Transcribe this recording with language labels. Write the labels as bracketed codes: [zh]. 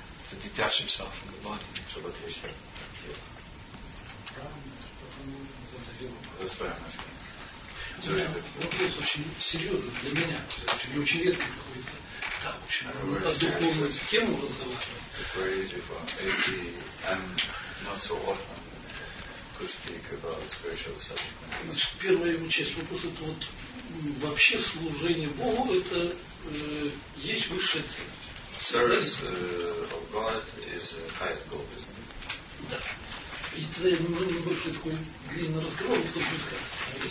[en] To detach himself from the body. [ru] Чтобы отречься от тела. Очень серьезно для меня. Мне очень редко приходится так очень духовную тему разговаривать. [en] Not so often to speak about spiritual subjects. [ru] Первая его часть вопроса это вот вообще служение Богу это есть высшая цель. [en] Service of God is highest goal, isn't it? [ru] Да. И тогда я небольшой такой длинный разговор, кто бы сказал.